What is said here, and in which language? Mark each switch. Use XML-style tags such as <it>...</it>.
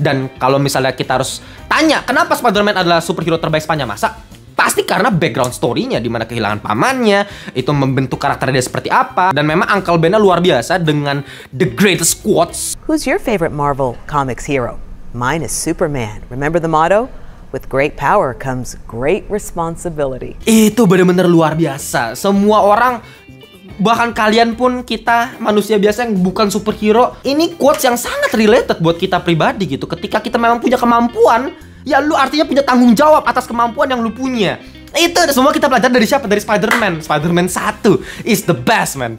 <id>Dan kalau misalnya kita harus tanya kenapa Spider-Man adalah superhero terbaik sepanjang masa, pasti karena background story-nya, di mana kehilangan pamannya, itu membentuk karakter dia seperti apa, dan memang Uncle Ben-nya luar biasa dengan</id> <en>the greatest quotes. Who's your favorite Marvel Comics hero? Mine is Superman. Remember the motto? With great power comes great responsibility.</en> <id>Itu benar-benar luar biasa. Semua orang, bahkan kalian pun, kita manusia biasa yang bukan superhero, ini quotes yang sangat related buat kita pribadi gitu. Ketika kita memang punya kemampuan, ya lu artinya punya tanggung jawab atas kemampuan yang lu punya. Itu semua kita belajar dari siapa? Dari Spider-Man.</id> <en>Spider-Man 1 is the best, man.</en>